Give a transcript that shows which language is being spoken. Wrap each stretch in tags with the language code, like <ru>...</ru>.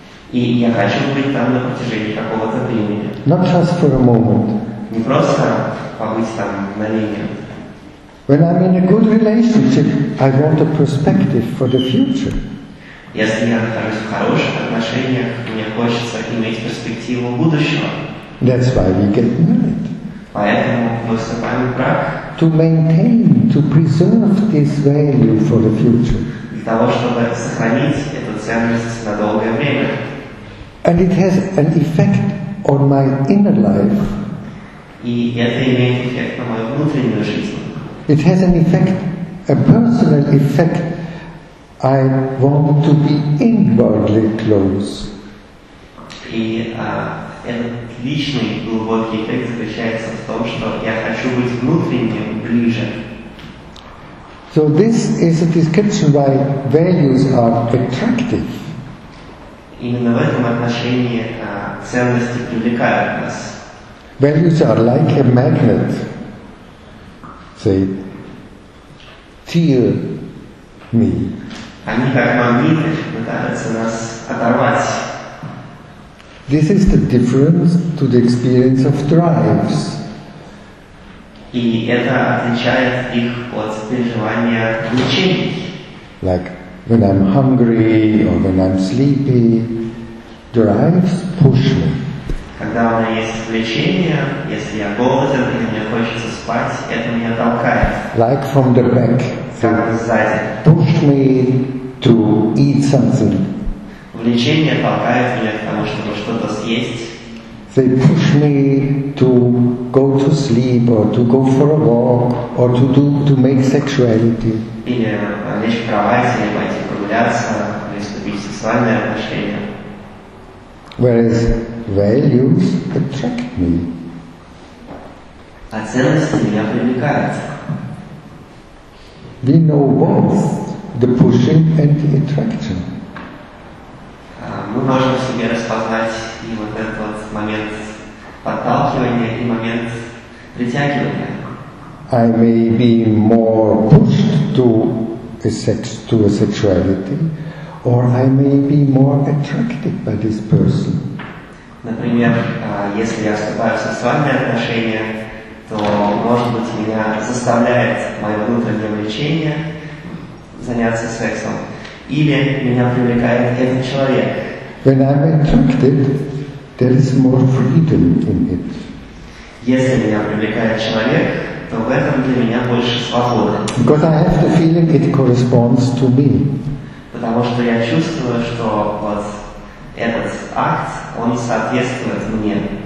<ru>И я хочу быть там на протяжении какого-то времени.</ru> <en>Not just for a moment.</en> <ru>Не просто побыть там на линию.</ru> <en>When I'm in a good relationship, I want a perspective for the future.</en> <ru>Если я нахожусь в хороших отношениях, мне хочется иметь перспективу будущего.</ru> <en>That's why we get married.</en> <ru>Поэтому мы вступаем в брак.</ru> <en>To maintain, to preserve this value for the future.</en> <ru>Для того, чтобы сохранить эту ценность на долгое время.</ru> <en>And it has an effect on my inner life.</en> <ru>И это имеет эффект на мою внутреннюю жизнь.</ru> <en>It has an effect, a personal effect. I want to be inwardly close.</en> <ru>И этот личный глубокий эффект заключается в том, что я хочу быть внутренне ближе.</ru> <en>So this is a description why values are attractive.</en> <ru>Именно в этом отношении ценности привлекают нас.</ru> <en>Values are like a magnet. Say. Tear me.</en> <ru>Они как магниты пытаются нас оторвать.</ru> <en>This is the difference to the experience of drives.</en> <ru>И это отличает их от переживания влечений.</ru> <en>Like when I'm hungry or when I'm sleepy, drives push me.</en> <ru>Когда у меня есть влечение, если я голоден или мне хочется спать, это меня толкает.</ru> <en>Like from the back. Push me to eat something.</en> <ru>Влечение толкает меня к тому, чтобы что-то съесть.</ru> <en>They push me to go to sleep or to go for a walk or to make sexuality.</en> <ru>Или лечь в кровати, или пойти прогуляться, или вступить в сексуальные отношения.</ru> <en>Whereas values attract me.</en> <ru>А ценности меня привлекают.</ru> <en>We know both the pushing and the attraction.</en> <ru>Мы можем в себе распознать и вот этот вот момент подталкивания и момент притягивания.</ru> <en>I may be more pushed to a sexuality, or I may be more attracted by this person.</en> <ru>Например, если я вступаю в сексуальные отношения, то, может быть, меня заставляет мое внутреннее влечение заняться сексом. Или меня привлекает этот человек.</ru> <en>When I'm attracted, there is more freedom in it.</en> <ru>Если меня привлекает человек, то в этом для меня больше свободы.</ru> <en>Because I have the feeling it corresponds to me.</en> <ru>Потому что я чувствую, что вот этот акт, он соответствует мне.</ru>